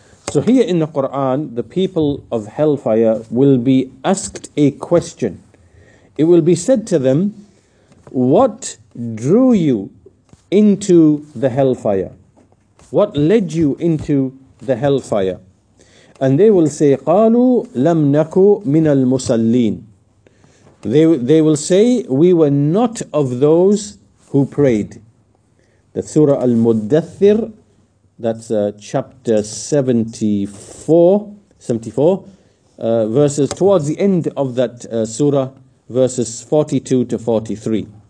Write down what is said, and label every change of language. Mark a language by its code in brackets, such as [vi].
[en] So here in the Quran, the people of hellfire will be asked a question. It will be said to them, what drew you into the hellfire? What led you into the hellfire? And they will say, [ar] قَالُوا لَمْ نَكُوا مِنَ الْمُسَلِّينَ. [en] They will say, we were not of those who prayed. The Surah Al-Muddathir, that's chapter 74, verses towards the end of that surah, verses 42 to 43.